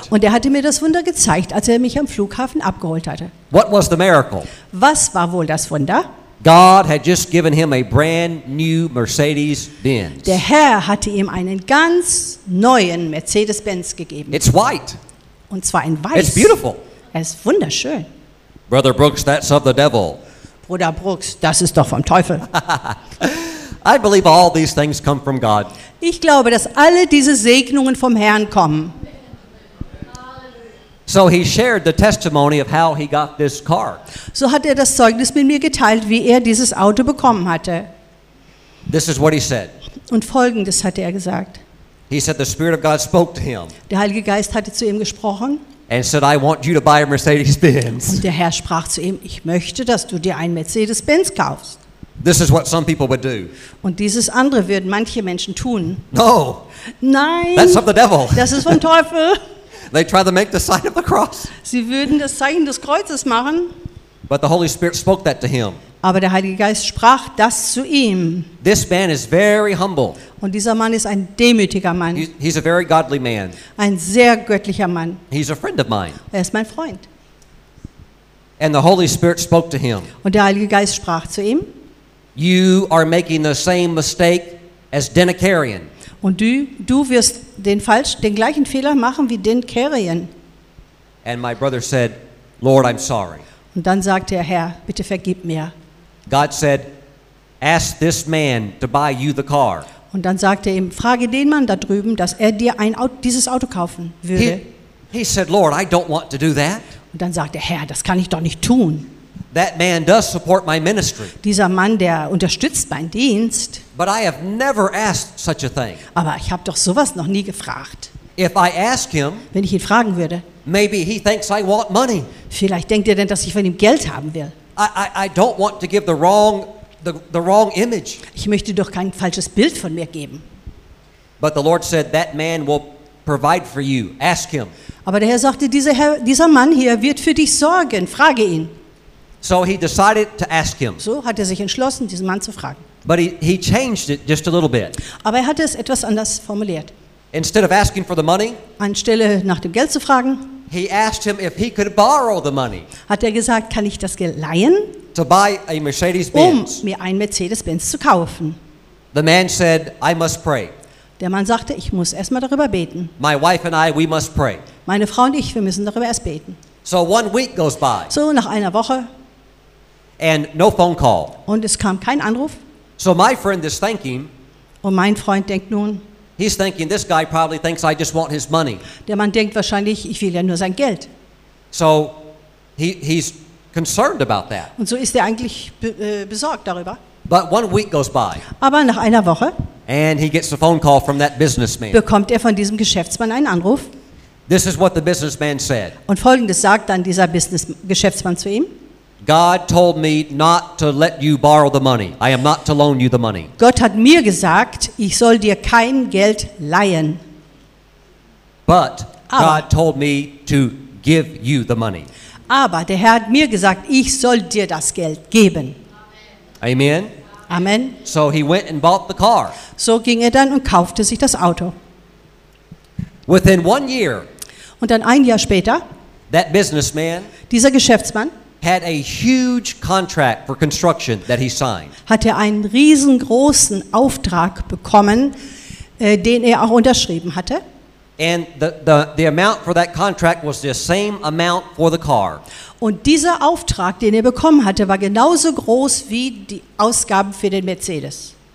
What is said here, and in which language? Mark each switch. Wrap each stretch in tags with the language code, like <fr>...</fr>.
<de>Und er hatte mir das Wunder gezeigt, als er mich am Flughafen abgeholt hatte.</de> <en>What was the miracle?</en> <de>Was war wohl das Wunder?</de> <en>God had just given him a brand new Mercedes-Benz.</en> <de>Der Herr hatte ihm einen ganz neuen Mercedes-Benz gegeben.</de> <en>It's white.</en> <de>Und zwar in weiß.</de> <en>It's beautiful.</en> <de>Es ist wunderschön.</de> <en>Brother Brooks, that's of the devil.</en> <de>Bruder Brooks, das ist doch vom Teufel.</de> <en>I believe all these things come from God.</en> <de>Ich glaube, dass alle diese Segnungen vom Herrn kommen.</de> <en>So he shared the testimony of how he got this car.</en> <de>So hat er das Zeugnis mit mir geteilt, wie er dieses Auto bekommen hatte.</de> <en>This is what he said.</en> <de>Und Folgendes hatte er gesagt.</de> <en>He said the Spirit of God spoke to him.</en> <de>Der Heilige Geist hatte zu ihm gesprochen.</de> <en>And said, I want you to buy a Mercedes-Benz.</en> <de>Und der Herr sprach zu ihm, ich möchte, dass du dir einen Mercedes-Benz kaufst.</de> <en>This is what some people would do.</en> <de>Und dieses andere würden manche Menschen tun.</de> <en>No.</en> <de>Nein.</de> <en>That's of the devil.</en> <de>Das ist vom Teufel.</de> <en>They try to make the sign of the cross.</en> <de>Sie würden das Zeichen des Kreuzes machen.</de> <en>But the Holy Spirit spoke that to him.</en> <de>Aber der Heilige Geist sprach das zu ihm.</de> <en>This man is very humble.</en> <de>Und dieser Mann ist ein demütiger Mann.</de> <en>He's a very godly man.</en> <de>Ein sehr göttlicher Mann.</de> <en>He's a friend of mine.</en> <de>Er ist mein Freund.</de> <en>And the Holy Spirit spoke to him.</en> <de>Und der Heilige Geist sprach zu ihm.</de> <en>You are making the same mistake as Denikarian.</en> <de>Und du wirst den gleichen Fehler machen wie Denikarian.</de> <en>And my brother said, Lord, I'm sorry.</en> <de>Und dann sagte er, Herr, bitte vergib mir.</de> <en>God said, ask this man to buy you the car.</en> <de>Und dann sagte er ihm, frage den Mann da drüben, dass er dir dieses Auto kaufen würde.</de> <en>He said, Lord, I don't want to do that.</en> <de>Und dann sagte er, Herr, das kann ich doch nicht tun.</de> <en>That man does support my ministry.</en> <de>Dieser Mann, der unterstützt meinen Dienst.</de> <en>But I have never asked such a thing.</en> <de>Aber ich habe doch sowas noch nie gefragt.</de> <en>If I ask him,</en> <de>wenn ich ihn fragen würde,</de> <en>maybe he thinks I want money.</en> <de>Vielleicht denkt er denn, dass ich von ihm Geld haben will.</de> <en>I don't want to give the wrong image.</en> <de>Ich möchte doch kein falsches Bild von mir geben.</de> <en>But the Lord said that man will provide for you. Ask him.</en> <de>Aber der Herr sagte, dieser Mann hier wird für dich sorgen. Frage ihn.</de> <en>So he decided to ask him.</en> <de>So hat er sich entschlossen, diesen Mann zu fragen.</de> <en>But he changed it just a little bit.</en> <de>Aber er hat es etwas anders formuliert.</de> <en>Instead of asking for the money,</en> <de>anstelle nach dem Geld zu fragen,</de> <en>he asked him if he could borrow the money.</en> <de>Hat er gesagt, kann ich das Geld leihen?</de> <en>To buy a Mercedes-Benz.</en> <de>Um mir einen Mercedes-Benz zu kaufen.</de> <en>The man said, I must pray.</en> <de>Der Mann sagte, ich muss erstmal darüber beten.</de> <en>My wife and I, we must pray.</en> <de>Meine Frau und ich, wir müssen darüber erst beten.</de> <en>So 1 week goes by.</en> <de>So nach einer Woche.</de> <en>And no phone call.</en> <de>Und es kam kein Anruf.</de> <en>So my friend is thinking.</en> <de>Und mein Freund denkt nun.</de> <en>He's thinking this guy probably thinks I just want his money.</en> <de>Der Mann denkt wahrscheinlich, ich will ja nur sein Geld.</de> <en>So he's concerned about that.</en> <de>Und so ist er eigentlich besorgt darüber.</de> <en>But 1 week goes by.</en> <de>Aber nach einer Woche.</de> <en>And he gets a phone call from that businessman.</en> <de>Bekommt er von diesem Geschäftsmann einen Anruf.</de> <en>This is what the businessman said.</en> <de>Und Folgendes sagt dann dieser Geschäftsmann zu ihm.</de> <en>God told me not to let you borrow the money. I am not to loan you the money.</en> <de>Gott hat mir gesagt, ich soll dir kein Geld leihen.</de> <en>But God told me to give you the money.</en> <de>Aber der Herr hat mir gesagt, ich soll dir das Geld geben.</de> <en>Amen.</en> <de>Amen.</de> <en>So he went and bought the car.</en> <de>So ging er dann und kaufte sich das Auto.</de> <en>Within 1 year.</en> <de>Und dann ein Jahr später.</de> <en>That businessman.</en> <de>Dieser Geschäftsmann.</de> <en>Had a huge contract for construction that he signed.</en> <de>Hat er einen riesengroßen Auftrag bekommen, den er auch unterschrieben hatte.</de> <en>And the amount for that contract was the same amount for the car.</en> <de>Und dieser Auftrag, den er bekommen hatte, war genauso groß wie die Ausgaben für den Mercedes.</de>